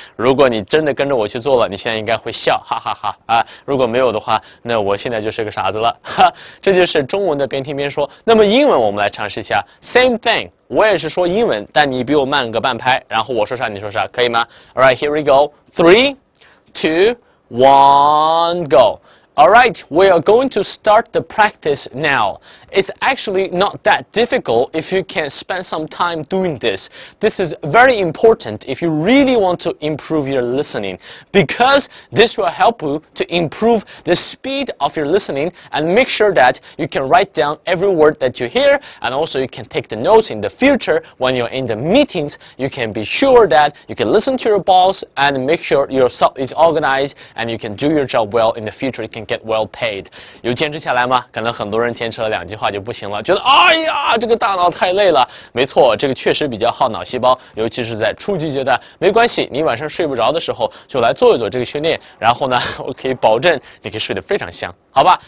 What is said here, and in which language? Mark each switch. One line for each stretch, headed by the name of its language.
Chinese: 如果你真的跟着我去做了，你现在应该会笑，哈哈哈啊！如果没有的话，那我现在就是个傻子了，哈！这就是中文的边听边说。那么英文我们来尝试一下 ，
English: same thing，
Chinese: 我也是说英文，但你比我慢个半拍，然后我说啥你说啥，可以吗 ？
English: All right, here we go. Three, two, one, go. All right, we are going to start the practice now. It's actually not that difficult if you can spend some time doing this. This is very important if you really want to improve your listening, because this will help you to improve the speed of your listening and make sure that you can write down every word that you hear, and also you can take the notes in the future when you're in the meetings. You can be sure that you can listen to your boss and make sure your stuff is organized and you can do your job well in the future. You can get well paid.
Chinese: 有坚持下来吗？可能很多人坚持了两句话就不行了，觉得哎呀，这个大脑太累了。没错，这个确实比较耗脑细胞，尤其是在初级阶段。没关系，你晚上睡不着的时候就来做一做这个训练，然后呢，我可以保证你可以睡得非常香，好吧？